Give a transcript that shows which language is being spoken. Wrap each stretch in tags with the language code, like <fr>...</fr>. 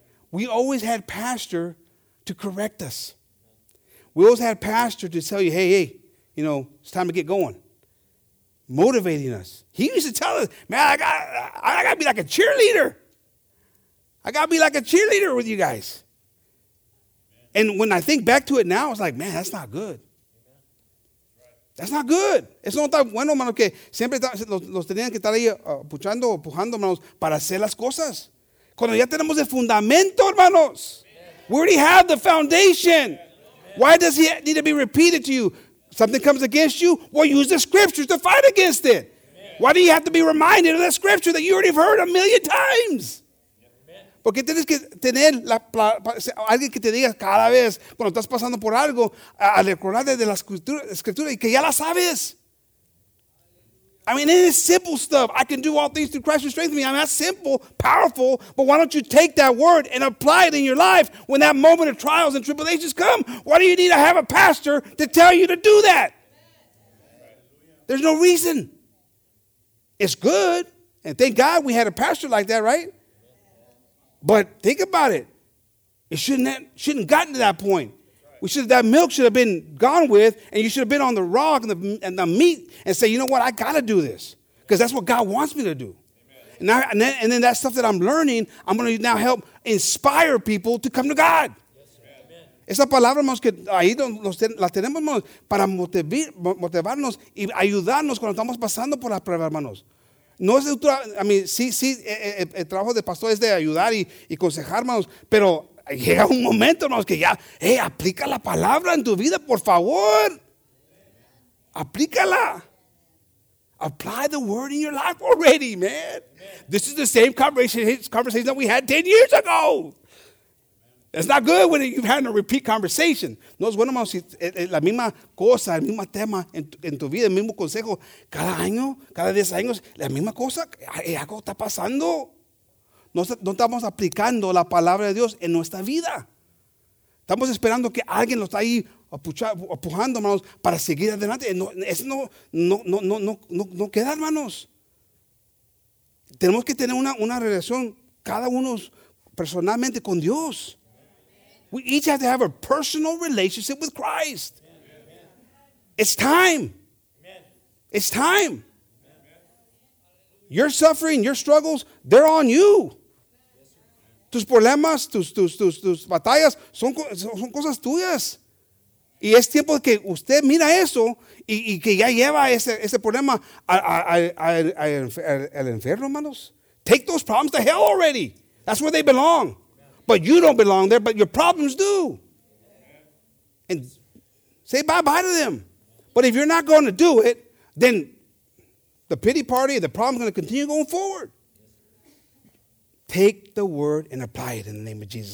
<en>We always had pastor to correct us. We always had pastor to tell you, hey, you know, it's time to get going. Motivating us. He used to tell us, man, I got to be like a cheerleader. I got to be like a cheerleader with you guys. And when I think back to it now, I was like, man, that's not good. That's not good.</en> <es>Eso no está bueno, hermano, que siempre los tenían que estar ahí puchando, empujando, hermanos, para hacer las cosas. Cuando ya tenemos el fundamento, hermanos.</es> <en>We already have the foundation. Why does he need to be repeated to you? Something comes against you? Well, use the scriptures to fight against it. Why do you have to be reminded of that scripture that you already have heard a million times?</en> <es>Porque tienes que tener la, alguien que te diga cada vez cuando estás pasando por algo a recordarte de la escritura y que ya la sabes.</es> <en>I mean, it is simple stuff. I can do all things through Christ who strengthens me. I mean, that's simple, powerful, but why don't you take that word and apply it in your life when that moment of trials and tribulations come? Why do you need to have a pastor to tell you to do that? There's no reason. It's good, and thank God we had a pastor like that, right? But think about it. It shouldn't have gotten to that point. We should, that milk should have been gone with, and you should have been on the rock and the meat and say, you know what, I got to do this because that's what God wants me to do. Amen. And then that stuff that I'm learning, I'm going to now help inspire people to come to God.</en> <es>Yes, esa palabra, hermanos, que ahí la tenemos, hermanos, para motivarnos y ayudarnos cuando estamos pasando por las pruebas, hermanos. No es el trabajo de pastor es de ayudar y aconsejar, hermanos, pero llega un momento, hermanos, que ya, aplica la palabra en tu vida, por favor. Aplícala.</es> <en>Apply the word in your life already, man. This is the same conversation that we had 10 years ago. It's not good when you've had a repeat conversation.</en> <es>No es bueno, hermanos, si la misma cosa, el mismo tema en tu vida, el mismo consejo, cada año, cada 10 años, la misma cosa, algo está pasando. No estamos aplicando la palabra de Dios en nuestra vida. Estamos esperando que alguien lo está ahí empujando, hermanos, para seguir adelante. Eso no queda, hermanos. Tenemos que tener una relación cada uno personalmente con Dios.</es> <en>We each have to have a personal relationship with Christ. It's time. It's time. Your suffering, your struggles, they're on you.</en> <es>Tus problemas, tus batallas, son cosas tuyas. Y es tiempo que usted mira eso y que ya lleva ese problema al infierno, hermanos.</es> <en>Take those problems to hell already. That's where they belong. But you don't belong there, but your problems do. And say bye-bye to them. But if you're not going to do it, then the pity party, the problem's going to continue going forward. Take the word and apply it in the name of Jesus.</en>